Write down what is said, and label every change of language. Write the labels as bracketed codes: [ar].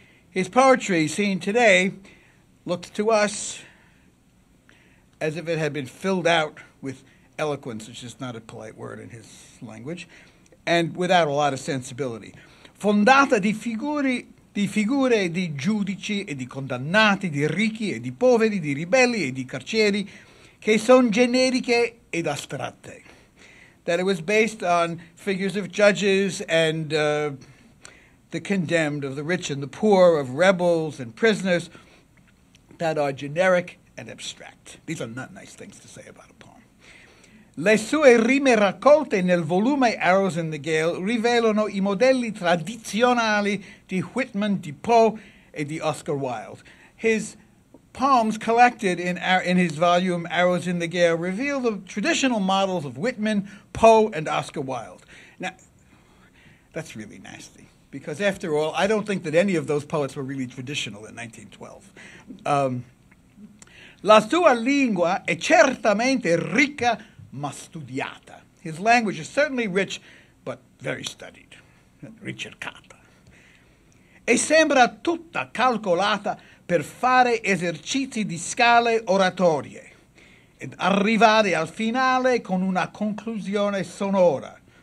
[en] His poetry, seen today, looks to us as if it had been filled out with eloquence, which is not a polite word in his language, and without a lot of sensibility. [it] Fondata di figure di giudici e di condannati, di ricchi e di poveri, di ribelli e di carcieri, che son generiche ed astratte. [en] That it was based on figures of judges and the condemned, of the rich and the poor, of rebels and prisoners that are generic and abstract. These are not nice things to say about a poem. [it] Le sue rime raccolte nel volume Arrows in the Gale rivelano i modelli tradizionali di Whitman, di Poe, e di Oscar Wilde. [en] His poems collected in his volume Arrows in the Gale reveal the traditional models of Whitman, Poe, and Oscar Wilde. Now, that's really nasty, because after all, I don't think that any of those poets were really traditional in 1912. [it] La sua lingua è certamente ricca ma studiata. [en] His language is certainly rich, but very studied, ricercata. [it] E sembra tutta calcolata per fare esercizi di scale oratorie ed arrivare al finale con una conclusione sonora,